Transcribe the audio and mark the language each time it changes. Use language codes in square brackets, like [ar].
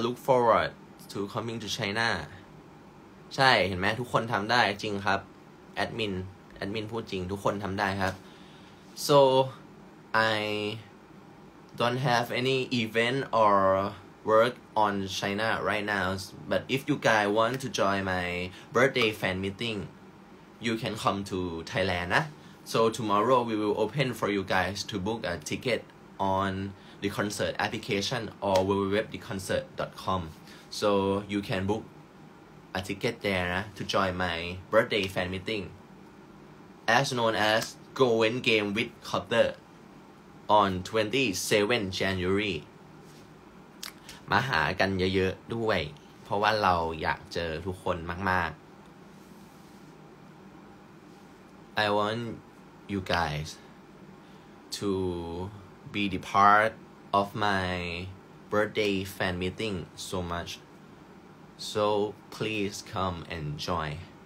[en] Look forward to coming to China. [th] ใช่เห็นไหมทุกคนทำได้จริงครับแอดมินพูดจริงทุกคนทำได้ครับ [en] So I don't have any event or work on China right now. But if you guys want to join my birthday fan meeting, you can come to Thailand. Nah? So tomorrow we will open for you guys to book a ticket onThe concert application or www.theconcert.com. So you can book a ticket there to join my birthday fan meeting, as known as Going Game with Copter on 27 January. [th] มาหากันเยอะๆด้วยเพราะว่าเราอยากเจอทุกคนมากๆ [en] I want you guys to be the partOf my birthday fan meeting so much, so please come and join.